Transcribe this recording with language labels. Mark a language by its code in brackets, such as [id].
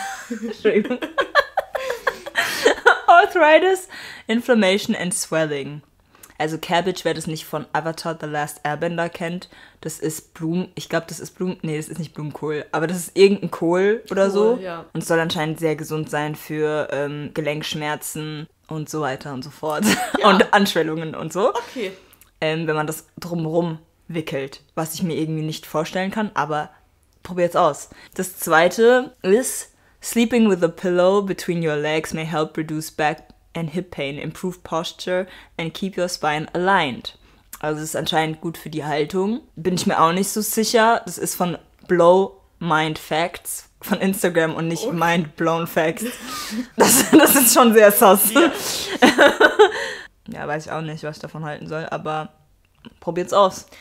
[de] Entschuldigung. [en] Arthritis, inflammation and swelling. [de] Also Cabbage, wer das nicht von Avatar The Last Airbender kennt, das ist das ist nicht Blumenkohl, aber das ist irgendein Kohl oder Kohl, so. Ja. Und soll anscheinend sehr gesund sein für Gelenkschmerzen. Und so weiter und so fort. Ja. Und Anschwellungen und so. Okay. Wenn man das drumherum wickelt, was ich mir irgendwie nicht vorstellen kann, aber probiert's aus. Das zweite ist, [en] sleeping with a pillow between your legs may help reduce back and hip pain, improve posture and keep your spine aligned. [de] Also es ist anscheinend gut für die Haltung. Bin ich mir auch nicht so sicher. Das ist von Blow Mind Facts. Von Instagram und nicht Mind Blown Facts. Das ist schon sehr sus. Ja. Ja, weiß ich auch nicht, was ich davon halten soll, aber probiert's aus.